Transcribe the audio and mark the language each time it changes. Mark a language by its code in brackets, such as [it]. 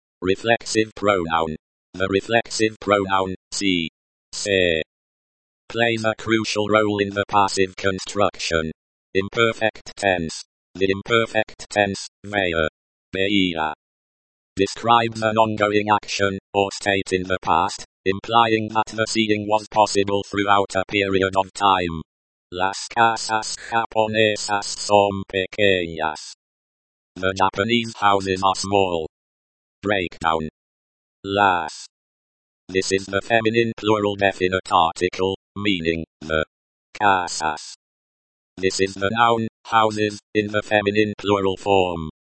[en] Reflexive pronoun. The reflexive pronoun, see, say, plays a crucial role in the passive construction. Imperfect tense. The imperfect tense, veia, describes an ongoing action, or state in the past, implying that the seeing was possible throughout a period of time. [es] Las casas japonesas son pequeñas. [en] The Japanese houses are small. Breakdown. Las. This is the feminine plural definite article, meaning the casas. This is the noun, houses, in the feminine plural form.